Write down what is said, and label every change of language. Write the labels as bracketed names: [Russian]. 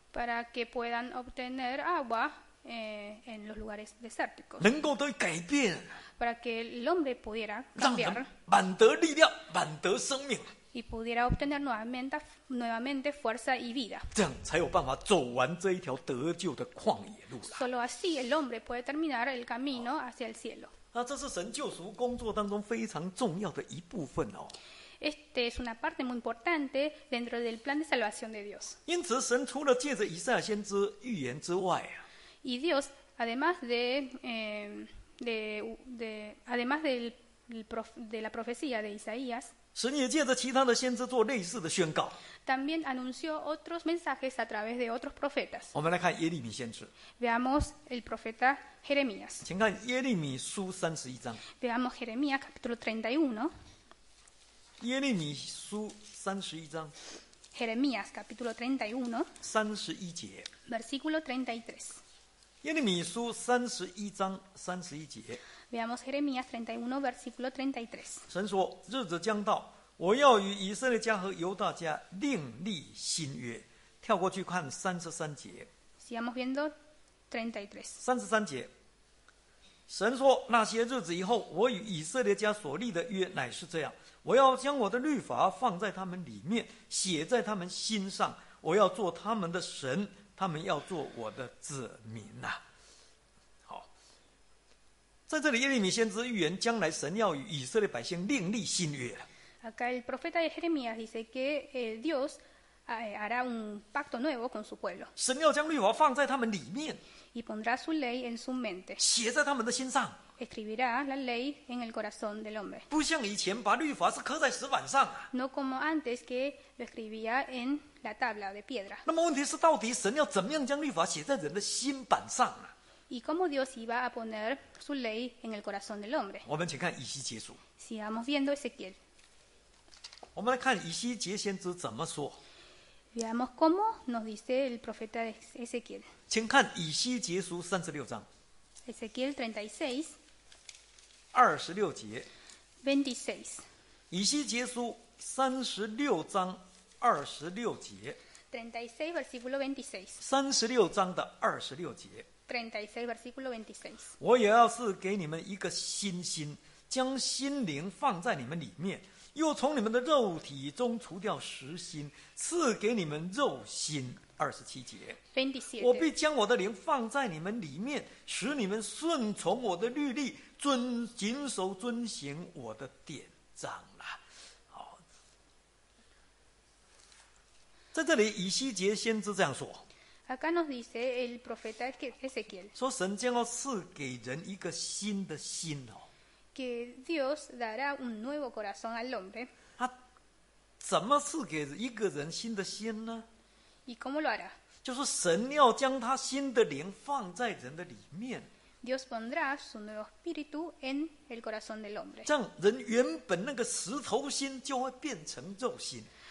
[Spanish] Para que puedan obtener agua en los lugares desérticos. [Chinese] 能够得改变。 [Spanish] Para que el hombre pudiera cambiar. [Chinese] 让人满得力量，满得生命。 [Spanish] Y pudiera obtener nuevamente fuerza y vida. [Chinese] 这样才有办法走完这一条得救的旷野路。 [Spanish] Solo así el hombre puede terminar el camino hacia el cielo. [Chinese] 那这是神救赎工作当中非常重要的一部分哦。 [Spanish] Este es una parte muy importante dentro del plan de salvación de Dios. [Chinese] 因此神除了借着以赛亚先知预言之外啊。 [Spanish] Y Dios, además de la profecía de Isaías, [Chinese] 神也借着其他的先知做类似的宣告。 [Spanish] También anunció otros mensajes a través de otros profetas. [Chinese] 我们来看耶利米先知。 [Spanish] Veamos el profeta Jeremías. [Chinese] 请看耶利米书三十一章。 [Spanish] Veamos Jeremías capítulo 31. [Chinese] 耶利米书三十一章 [Spanish] Jeremías capítulo 31 [Chinese] 三十一节 [Spanish] versículo 33 [Chinese] 耶利米书三十一章三十一节 [Spanish] Veamos Jeremías 31 versículo 33 [Chinese] 神说日子将到，我要与以色列家和犹大家另立新约。跳过去看三十三节 [Spanish] Sigamos viendo 33 [Chinese] 三十三节神说那些日子以后，我与以色列家所立的约乃是这样，我要将我的律法放在他们里面，写在他们心上，我要做他们的神，他们要做我的子民啊。好，在这里耶利米先知预言将来神要与以色列百姓另立新约。 [Spanish] Acá el profeta Jeremías dice que Dios hará un pacto nuevo con su pueblo. [Chinese] 神要将律法放在他们里面， [Spanish] y pondrá su ley en su mente. [Chinese] 写在他们的心上。 [Spanish] Escribirá la ley en el corazón del hombre. [Chinese] 不像以前把律法是刻在石板上啊。 [Spanish] No como antes que lo escribía en la tabla de piedra. [Chinese] 那么问题是，到底神要怎么样将律法写在人的心板上啊？ [Spanish] ¿Y cómo Dios iba a poner su ley en el corazón del hombre? [Chinese] 我们请看以西结书。 [Spanish] Sigamos viendo Ezequiel. [Chinese] 我们来看以西结先知怎么说。 [Spanish] Veamos cómo nos dice el profeta Ezequiel. [Chinese] 请看以西结书三十六章。 [Spanish] Ezequiel 36. [Chinese] 二十六节 [Spanish] 26. [Chinese] 以西结书三十六章二十六节 [Spanish] 36 versículo 26. [Chinese] 36章的26节。 [Spanish] 36 versículo 26. [Chinese] 我也要是给你们一个新心，将心灵放在你们里面，又从你们的肉体中除掉石心，赐给你们肉心。 27节。 [Spanish] 27. [Chinese] 我必将我的灵放在你们里面，使你们顺从我的律例，遵谨守遵行我的典章了。在这里，以西结先知这样说。 [Spanish] Acá nos dice el profeta Ezequiel. [Chinese] 说神将要赐给人一个新的心哦。 [Spanish] Que Dios dará un nuevo corazón al hombre. [Chinese] 他怎么赐给一个人新的心呢 [Spanish] ？Y cómo lo hará？ [Chinese] 就是神要将他新的灵放在人的里面。 [Spanish] Dios pondrá su nuevo espíritu en el corazón del hombre. [Chinese] 这样，人原本那个石头心就会变成肉心。